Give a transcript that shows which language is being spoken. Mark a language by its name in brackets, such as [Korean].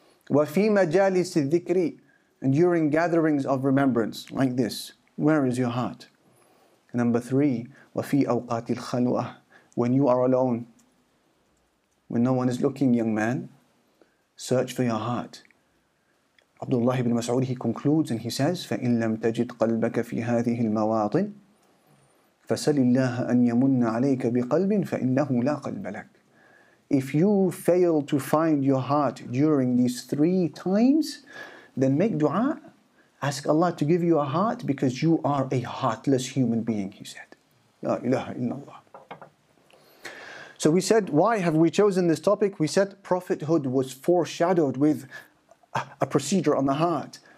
[Arabic] وفي مجالس الذكر, [English] and during gatherings of remembrance, like this, where is your heart? Number three, [Arabic] وفي أوقات الخلوة, [English] when you are alone, when no one is looking, young man, search for your heart. Abdullah ibn Mas'ud, he concludes and he says, [Arabic] فإن لم تجد قلبك في هذه المواطن, فَسَلِ اللَّهَ أَنْ يَمُنَّ عَلَيْكَ بِقَلْبٍ فَإِنَّهُ لَا قَلْبَ لَكَ. [English] If you fail to find your heart during these three times, then make dua, ask Allah to give you a heart because you are a heartless human being, he said. La ilaha illallah. So we said, why have we chosen this topic? We said prophethood was foreshadowed with a procedure on the heart.